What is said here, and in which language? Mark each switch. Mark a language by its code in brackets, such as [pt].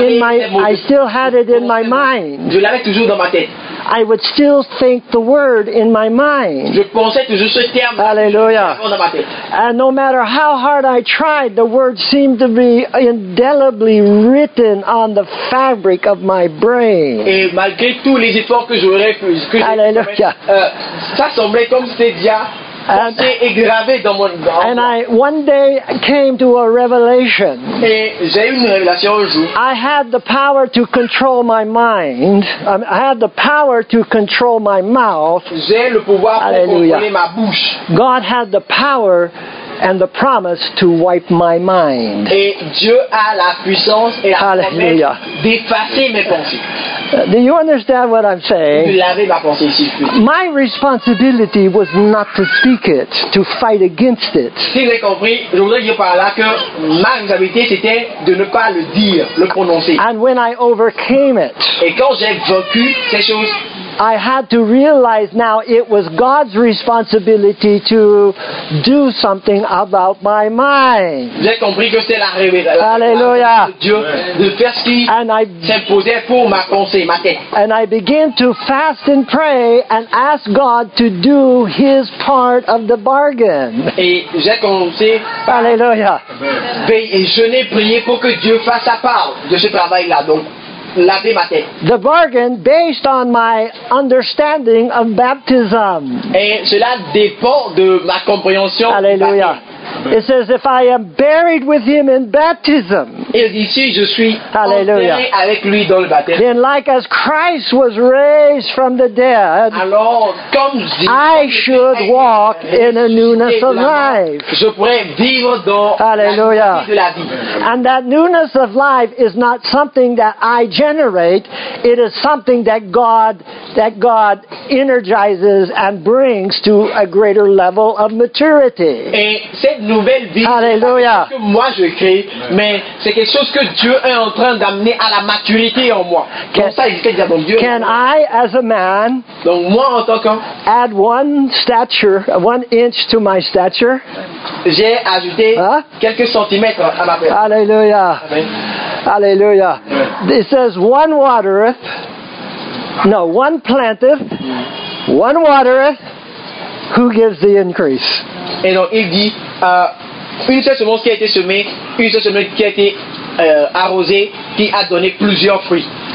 [en] I still had it in my mind. [fr] Je l'avais toujours dans ma tête. [en] I would still think the word in my mind. [fr] Je pensais toujours ce terme. Hallelujah. [en] And no matter how hard I tried, the word seemed to be indelibly written on the fabric of my brain. [fr] Et malgré tous les efforts que j'aurais pu, ça semblait comme c'était déjà pensé et gravé dans mon âme. [en] And I one day came to a revelation. [fr] Et j'ai eu une révélation un jour. [en] I had the power to control my mind. I had the power to control my mouth. [fr] J'ai le pouvoir pour contrôler ma bouche. [en] God had the power and the promise to wipe my mind. [fr] Et Dieu a la puissance et la promesse d'effacer mes pensées. [en] Do you understand what I'm saying? [fr] Vous l'avez ma pensée, si vous. [en] My responsibility was not to speak it, to fight against it. [fr] Si vous avez compris, je voudrais dire par là que ma responsabilité c'était de ne pas le dire, le prononcer. [en] And when I overcame it, [fr] et quand j'ai vaincu ces choses, [en] I had to realize now it was God's responsibility to do something about my mind. [fr] J'ai compris que c'était la révélation de Dieu de faire ce qui s'imposait pour ma pensée, ma tête. [en] And I began to fast and pray and ask God to do His part of the bargain. [fr] Et j'ai commencé par jeûner, prier pour que Dieu fasse sa part de ce travail-là. Donc, [en] the bargain based on my understanding of baptism. [fr] Et cela dépend de ma compréhension. Alléluia. [en] It says if I am buried with him in baptism. [fr] Et ici je suis enterré avec lui dans le baptême. [en] Then like as Christ was raised from the dead. [fr] Alors comme dit, [en] I should walk in a newness of life. [fr] Je pourrais vivre dans la vie de la vie. [en] And that newness of life is not something that I generate. It is something that God energizes and brings to a greater level of maturity. [fr] Et cette nouvelle vie. Alléluia. C'est que moi je crée, mais c'est quelque chose que Dieu est en train d'amener à la maturité en moi. Comme ça, il fait dire mon Dieu. [en] Can I, as a man, [fr] donc moi en tant qu'homme, [en] add one stature, one inch to my stature? [fr] J'ai ajouté quelques centimètres à ma taille. [en] Alléluia. Alléluia. It says one watereth. No, one planteth, one watereth, who gives the increase? [fr] Et donc il dit, une seule semence qui a été semée, une seule semence qui a été arrosée, qui a donné plusieurs fruits.